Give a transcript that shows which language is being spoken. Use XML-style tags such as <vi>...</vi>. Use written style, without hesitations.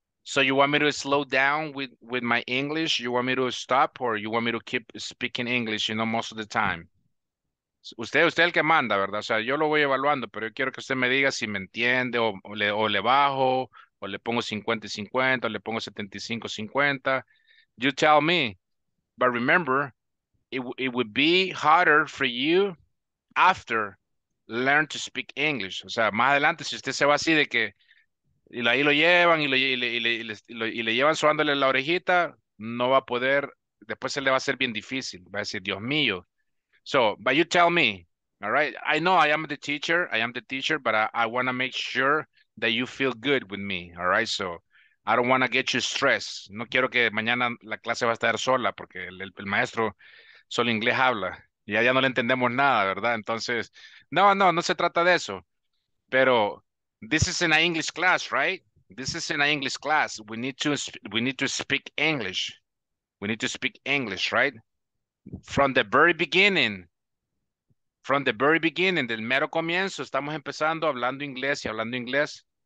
<en>So you want me to slow down with my English? You want me to stop or you want me to keep speaking English, you know, most of the time?</en> <es>Usted es el que manda, ¿verdad? O sea, yo lo voy evaluando, pero yo quiero que usted me diga si me entiende o le bajo, o le pongo 50 y 50, o le pongo 75 y 50.</es> <en>You tell me. But remember, it would be harder for you after learn to speak English.</en> <es>O sea, más adelante, si usted se va así de que y ahí lo llevan y le llevan sobándole la orejita, no va a poder, después se le va a ser bien difícil. Va a decir, Dios mío.</es> <en>So, but you tell me, all right? I know I am the teacher, but I want to make sure that you feel good with me, all right? So, I don't want to get you stressed.</en> <es>No quiero que mañana la clase va a estar sola porque el maestro solo inglés habla y allá no le entendemos nada, ¿verdad? Entonces, no se trata de eso. Pero</es> <en>this is in an English class, right? This is in an English class. We need to speak English. We need to speak English, right? From the very beginning,</en> <es>del mero comienzo, estamos empezando hablando inglés.</es>